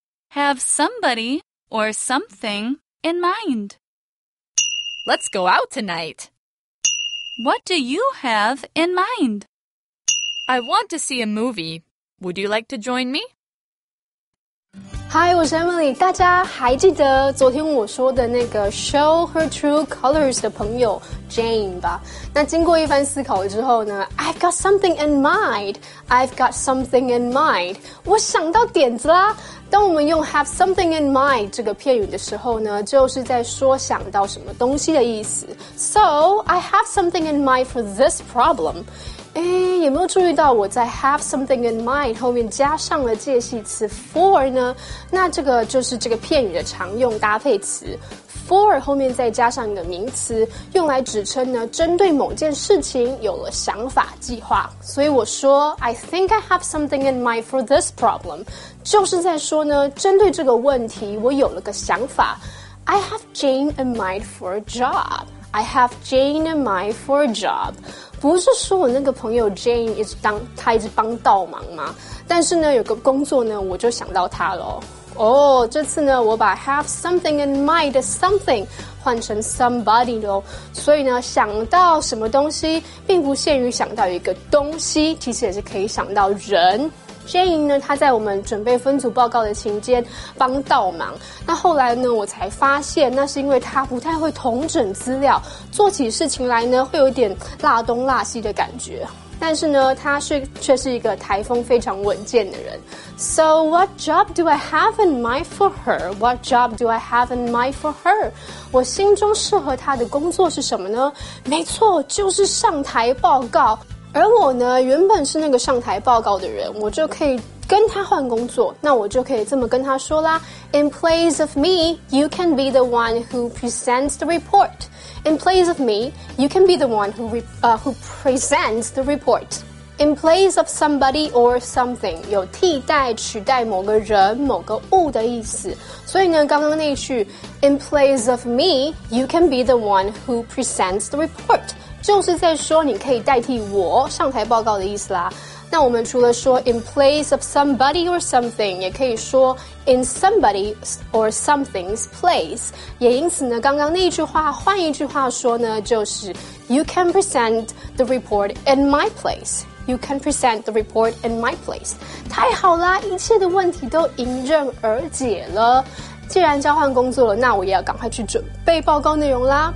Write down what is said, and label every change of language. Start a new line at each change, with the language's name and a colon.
English: Have somebody or something in mind. Let's go out tonight. What do you have in mind? I want to see a movie. Would you like to join me? Hi,
Chinese: 我是 Emily。大家还记得昨天我说的那个
English: show her true colors
Chinese: 的朋友 Jane 吧？那经过一番思考之后呢，
English: I've got something in mind，
Chinese: 我想到点子啦。当我们用
English: have something in mind
Chinese: 这个片语的时候呢，就是在说想到什么东西的意思。
English: So I have something in mind for this problem。
Chinese: 哎，有没有注意到我在
English: have something in mind
Chinese: 后面加上了介系词 for 呢？那这个就是这个片语的常用搭配词， for 后面再加上一个名词，用来指称呢针对某件事情有了想法计划。所以我说
English: I think I have something in mind for this problem，
Chinese: 就是在说呢针对这个问题我有了个想法。
English: I have Jane in mind for a job， I have Jane in mind for a job。
Chinese: 不是说我那个朋友 Jane 一直当他一直帮倒忙吗？但是呢，有个工作呢，我就想到他了。哦，这次呢，我把
English: have something in mind something
Chinese: 换成 somebody 了。所以呢，想到什么东西，并不限于想到一个东西，其实也是可以想到人。 Jane 呢，他在我们准备分组报告的期间帮倒忙。那后来呢，我才发现那是因为他不太会统整资料，做起事情来呢会有点拉东拉西的感觉。但是呢，他却是一个台风非常稳健的人。
English: So what job do I have in mind for her? What job do I have in mind for her?
Chinese: 我心中适合他的工作是什么呢？没错，就是上台报告。而我呢，原本是那个上台报告的人，我就可以跟他换工作。那我就可以这么跟他说啦，
English: In place of me, you can be the one who presents the report. In place of me, you can be the one who presents the report. In place of somebody or something
Chinese: 有替代取代某个人某个物的意思。所以呢，刚刚那句
English: In place of me, you can be the one who presents the report
Chinese: 就是在说你可以代替我上台报告的意思啦。那我们除了说
English: in place of somebody or something，
Chinese: 也可以说
English: in somebody or something's place。
Chinese: 也因此呢，刚刚那一句话换一句话说呢，就是
English: you can present the report in my place。 You can present the report in my place。
Chinese: 太好啦，一切的问题都迎刃而解了。既然交换工作了，那我也要赶快去准备报告内容啦。